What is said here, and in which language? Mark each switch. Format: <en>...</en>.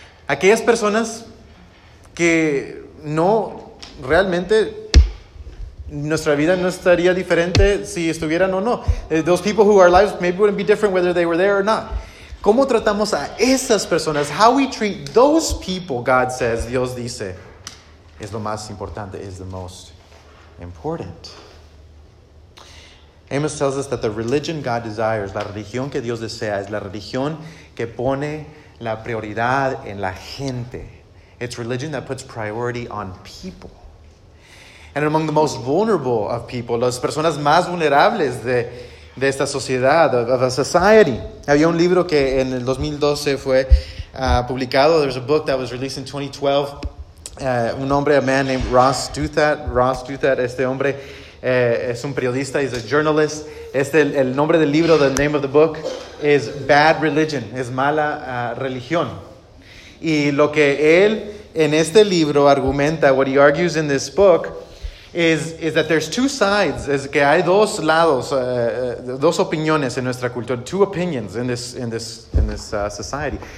<es>Aquellas personas que no realmente, nuestra vida no estaría diferente si estuvieran o no.</es> <en>Those people who our lives maybe wouldn't be different whether they were there or not.</en> <es>¿Cómo tratamos a esas personas?</es> <en>How we treat those people, God says,</en> <es>Dios dice, es lo más importante,</es> <en>is the most important. Amos tells us that the religion God desires,</en> <es>la religión que Dios desea, es la religión que pone la prioridad en la gente.</es> <en>It's religion that puts priority on people. And among the most vulnerable of people,</en> <es>las personas más vulnerables de esta sociedad,</es> <en>of a society.</en> <es>Había un libro que en el 2012 fue publicado.</es> <en>There was a book that was released in 2012.</en> <es>Un hombre,</es> <en>a man named</en> <es>Ross Douthat. Ross Douthat, este hombre es un periodista,</es> <en>he's a journalist.</en> <es>El nombre del libro,</es> <en>the name of the book, is</en> <es>Bad Religion, es mala religión. Y lo que él en este libro argumenta,</es> <en>what he argues in this book, is that there's two sides,</en> <es>es que hay dos lados, dos opiniones en nuestra cultura,</es> <en>two opinions in this society.</en>